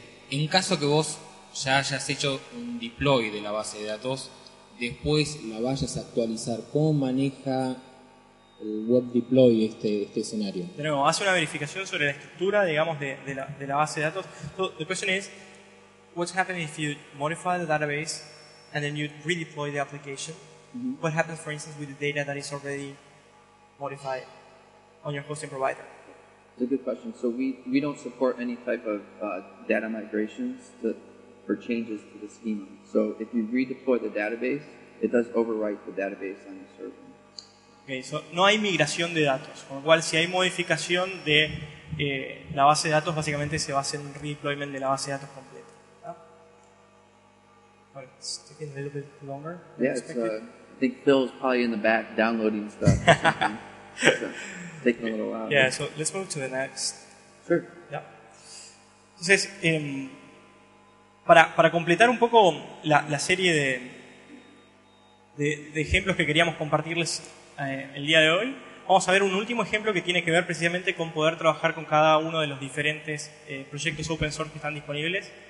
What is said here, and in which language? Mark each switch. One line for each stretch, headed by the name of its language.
Spanish: En caso que vos ya hayas hecho un deploy de la base de datos, después la vayas a actualizar, ¿cómo maneja el web deploy este escenario? De nuevo, hace una verificación sobre la estructura, digamos, de la base de datos.
English: So, the question is, what's happening if you modify the database and then you redeploy the application? Mm-hmm. What happens, for instance, with the data that is already modified on your hosting provider? It's a good question. So we don't support any type of data migrations or changes to the schema. So if you redeploy the database, it does overwrite the database on the server. Okay, so
Spanish: no hay migración de datos, con lo cual si hay modificación de la base de datos, básicamente se va a hacer un redeployment de la base de datos completa.
English: All right, it's taking a little bit longer. I think Phil's probably in the back downloading stuff. It's taking a little while. Yeah, so let's move to the next. Sure. Yeah.
Spanish: Entonces, para completar un poco la serie de ejemplos que queríamos compartirles el día de hoy, vamos a ver un último ejemplo que tiene que ver precisamente con poder trabajar con cada uno de los diferentes proyectos open source que están disponibles.